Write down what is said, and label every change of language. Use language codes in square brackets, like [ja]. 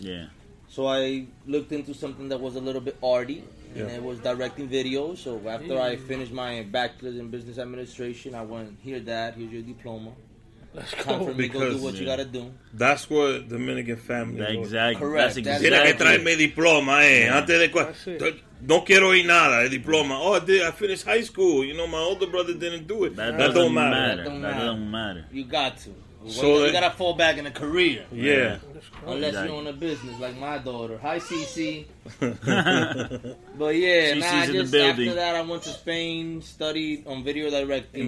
[en] Yeah. So, I looked into something that was a little bit arty. Yeah. And it was directing videos. So after I finished my bachelor's in business administration, I went, here, Dad, here's your diploma. Let's go. Time for me to do what you gotta do. That's what Dominican family. That exactly. Correct. That's exactly. [es] Tiene que traerme diploma, antes de no quiero ir nada, el diploma. [en] Oh, I finished high school. You know, my older brother didn't do it. That doesn't matter. You got to. You gotta fall back in a career. Yeah. Unless you own a business like my daughter. Hi, Cece. But yeah, after that, I went to Spain, studied on video directing.